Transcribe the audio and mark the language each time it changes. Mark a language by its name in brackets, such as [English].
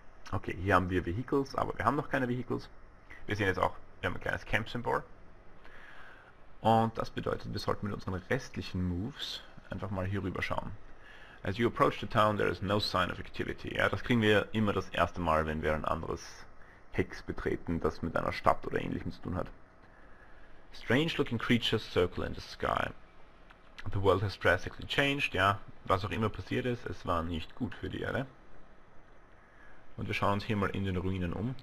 [German] Okay, hier haben wir Vehicles, aber wir haben noch keine Vehicles. Wir sehen jetzt auch, wir haben ein kleines Camp-Symbol. Und das bedeutet, wir sollten mit unseren restlichen Moves einfach mal hier rüber schauen. [English] As you approach the town, there is no sign of activity. [German] Ja, das kriegen wir immer das erste Mal, wenn wir ein anderes Hex betreten, das mit einer Stadt oder ähnlichem zu tun hat. [English] Strange looking creatures circle in the sky. The world has drastically changed. [German] Ja, was auch immer passiert ist, es war nicht gut für die Erde. Und wir schauen uns hier mal in den Ruinen um.